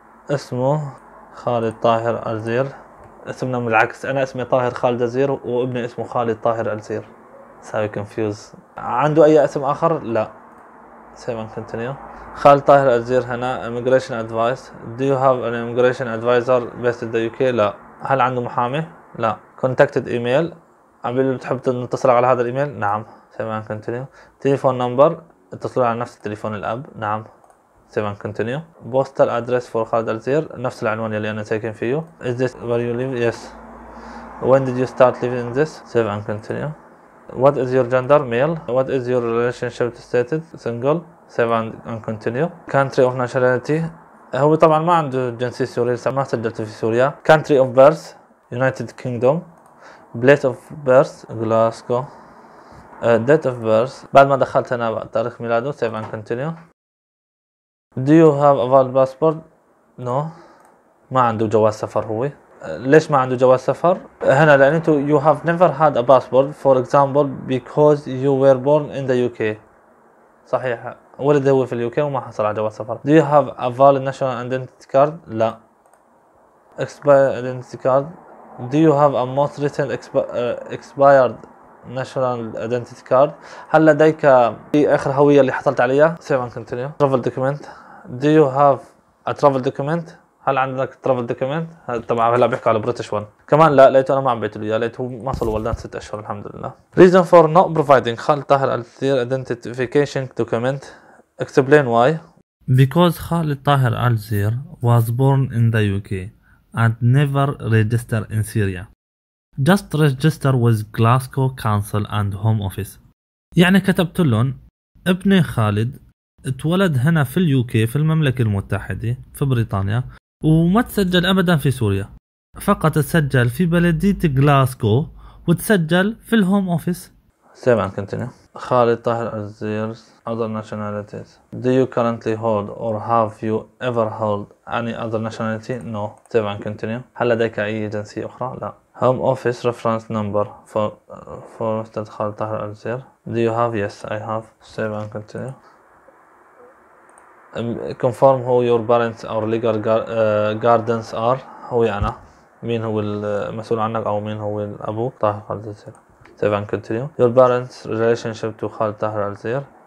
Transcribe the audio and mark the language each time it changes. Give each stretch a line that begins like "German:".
Arabic: اسمه خالد طاهر الزير. اسمنا من العكس. انا اسمي طاهر خالد الزير وابني اسمه خالد طاهر الزير. ساوي كونفيوز. عنده اي اسم اخر؟ لا.
English: Save and continue.
Arabic: خالد طاهر الزير هنا
English: immigration advice. Do you have an immigration advisor based in the UK?
Arabic: لا. هل عنده محامي؟ لا.
English: contacted email.
Arabic: عبيل بتحب تتصل على هذا الايميل؟ نعم.
English: Save and continue. Telephone number.
Arabic: اتصلوا على نفس التليفون الاب.
English: نعم. سيفن كونتينيو. بوستال ادريس فور خالد الزير
Arabic: نفس العنوان اللي انا ساكن فيه.
English: Is this where you live? Yes. When did you start living in this? Save and continue. What is your gender? Male. What is your relationship status? Single. Save and continue. Country of nationality.
Arabic: هو طبعا ما عنده جنسية سورية لسه ما سجلته في سوريا.
English: Country of birth. United Kingdom. Place of birth. Glasgow. Date of birth.
Arabic: بعد ما دخلت هنا تاريخ ميلاده.
English: Save and continue. Do you have a valid passport? No.
Arabic: ما عنده جواز سفر هو. ليش ما عنده جواز سفر؟ هنا لأن أنتو
English: you have never had a passport. For example, because you were born in the UK.
Arabic: صحيح. ولد هو في UK وما حصل على جواز سفر.
English: Do you have a valid national identity card?
Arabic: لا.
English: Expired identity card. Do you have a most recent expired national identity card?
Arabic: هل لديك آخر هوية اللي حصلت عليها؟
English: Save and continue. Travel document. Do you have a travel document?
Arabic: هل عندك travel document? طبعا هلا بيحكي على
English: British one.
Arabic: كمان لا لقيته انا ما عم بيتلو اياه لقيته ما صلوا ولدان 6 اشهر الحمد لله.
English: Reason for not providing خالد طاهر الزير identification document. Explain why. Because خالد طاهر الزير was born in the UK and never registered in Syria. Just register with Glasgow Council and Home Office.
Arabic: يعني كتبت لهم ابني خالد اتولد هنا في اليوكي في المملكة المتحدة في بريطانيا وما تسجل ابدا في سوريا فقط تسجل في بلدية غلاسكو وتسجل في الهوم اوفيس.
English: Save and continue. خالد طاهر الزير other nationalities. Do you currently hold or have you ever held any other nationality? No. Save and continue.
Arabic: هل لديك اي جنسية اخرى؟ لا.
English: Home office reference number for استاذ خالد طاهر الزير. Do you have? Yes I have. Save and continue. Confirm who your parents or legal guardians are.
Arabic: هو أنا. مين هو المسؤول عنك أو مين هو أبوك؟ طاهر خالد الزير.
English: Save and continue. Your parents' relationship to خالد طاهر الزير.